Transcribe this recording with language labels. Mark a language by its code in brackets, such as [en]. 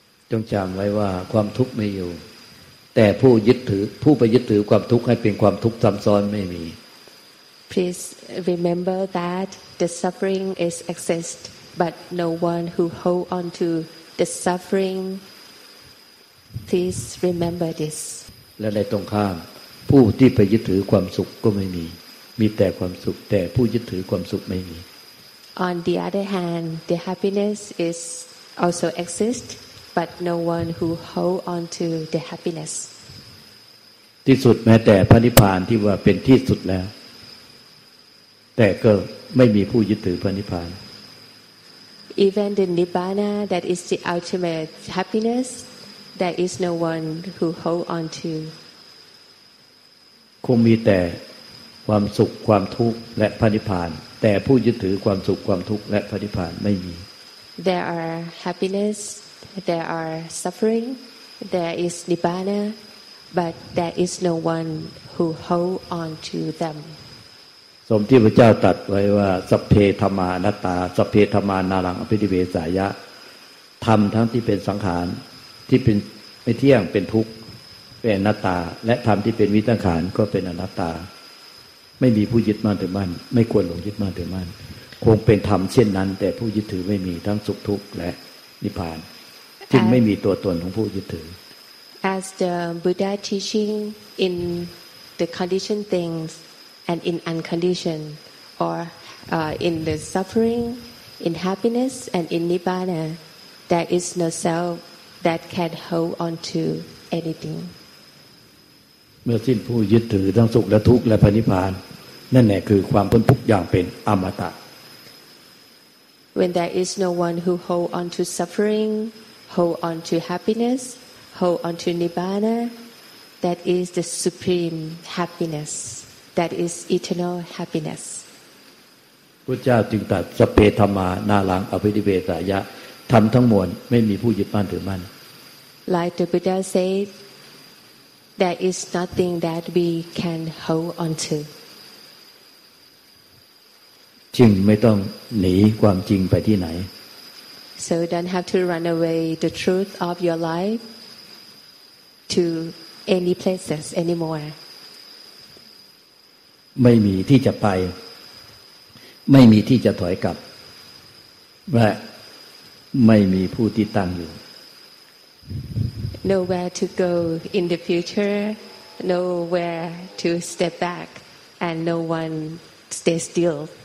[th] จงจำไว้ว่าความทุกข์ไม่อยู่แต่ผู้ยึดถือผู้ไปยึดถือความทุกข์ให้เป็นความทุกข์ซ้ำซ้อนไม่มี [en] Please remember that the suffering is exist, but no one who hold on to the suffering. Please remember this. [th] และในตรงข้ามผู้ที่ไปยึดถือความสุขก็ไม่มีมีแต่ความสุขแต่ผู้ยึดถือความสุขไม่มี [en] On the other hand, the happiness is also exist, but no one who hold on to the happiness. [th] ที่สุดแม้แต่พระนิพพานที่ว่าเป็นที่สุดแล้วแต่ก็ไม่มีผู้ยึดถือพระนิพพาน [en] Even the Nibbana that is the ultimate happiness there is no one who hold on to [th] คงมีแต่ความสุขความทุกข์และพระนิพพานแต่ผู้ยึดถือความสุขความทุกข์และพระนิพพานไม่มี [en] There are happiness there are suffering there is Nibbana but there is no one who hold on to them [th] สมที่พระเจ้าตรัสไว้ว่าสัพเพธรรมานัตตาสัพเพธรรมานารังอภิธิเวสายะธรรมทั้งที่เป็นสังขารที่เป็นไม่เที่ยงเป็นทุกข์เป็นอนัตตาและธรรมที่เป็นวิตังขารก็เป็นอนัตตาไม่มีผู้ยึดมั่นถือมั่นไม่ควรหลงยึดมั่นถือมั่นคงเป็นธรรมเช่นนั้นแต่ผู้ยึดถือไม่มีทั้งสุขทุกข์และนิพพานจึงไม่มีตัวตนของผู้ยึดถือ [en] As the Buddha teaching in the conditioned thingsAnd in unconditioned, or in the suffering, in happiness, and in nibbana, there is no self that can hold on to anything. [th] เมื่อสิ้นผู้ยึดถือทั้งสุขและทุกข์และพระนิพพานนั่นแหละคือความพ้นทุกข์อย่างเป็นอมตะ [en] When there is no one who hold on to suffering, hold on to happiness, hold on to nibbana, that is the supreme happiness. That is eternal happiness. [th] พุทธเจ้าจึงตรัสสัพเพธัมมานารังอภิธิเวสายะธรรมทั้งมวลไม่มีผู้ยึดมั่นถือมั่น [en] Like the Buddha said, there is nothing that we can hold on to. [th] จึงไม่ต้องหนีความจริงไปที่ไหน [en] So don't have to run away the truth of your life to any places anymore. [th] ไม่มีที่จะไปไม่มีที่จะถอยกลับและไม่มีผู้ที่ตั้งอยู่ [en] nowhere to go in the future nowhere to step back and no one stay still